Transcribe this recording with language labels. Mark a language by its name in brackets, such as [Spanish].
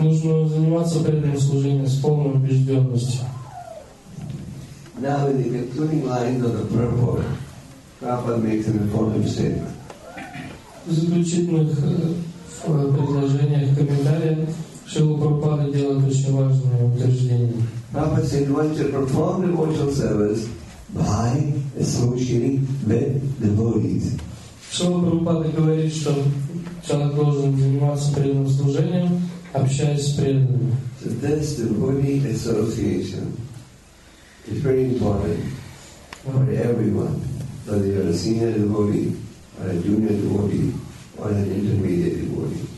[Russian] Нужно заниматься преданным служением с полной убежденностью. [English] Now, in the concluding lines of the purport, Prabhupada makes an important statement. [Russian] В заключительных предложениях комментария Шрила Прабхупада делает очень важное утверждение. [English] Prabhupada said, one should perform devotional service by associating with devotees. [Russian] Шрила Прабхупада говорит, что человек должен заниматься преданным служением, общаясь с преданными. [English] So this devotee association. It's very important for everyone, whether you're a senior devotee, or a junior devotee, or an intermediate devotee.